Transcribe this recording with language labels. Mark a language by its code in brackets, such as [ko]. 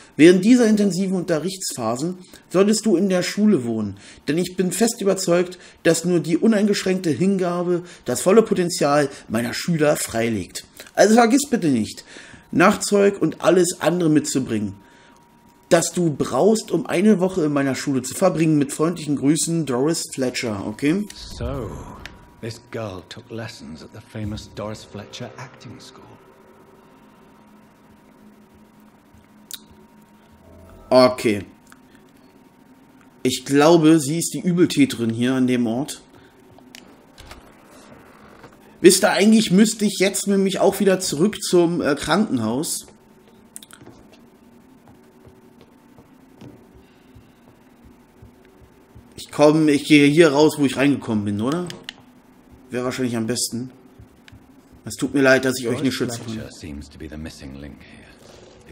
[de] Während dieser intensiven Unterrichtsphasen solltest du in der Schule wohnen, denn ich bin fest überzeugt, dass nur die uneingeschränkte Hingabe das volle Potenzial meiner Schüler freilegt. Also vergiss bitte nicht, Nachzeug und alles andere mitzubringen, das du brauchst, um eine Woche in meiner Schule zu verbringen. Mit freundlichen Grüßen, Doris Fletcher, okay? [en] So, this girl took lessons at the famous Doris Fletcher Acting School. Okay. [de] Ich glaube, sie ist die Übeltäterin hier an dem Ort. Wisst ihr, eigentlich müsste ich jetzt nämlich auch wieder zurück zum Krankenhaus. Komm, ich gehe hier raus, wo ich reingekommen bin, oder? Wäre wahrscheinlich am besten. Es tut mir leid, dass ich euch nicht schützen kann. [en] Fletcher seems to be the missing link here.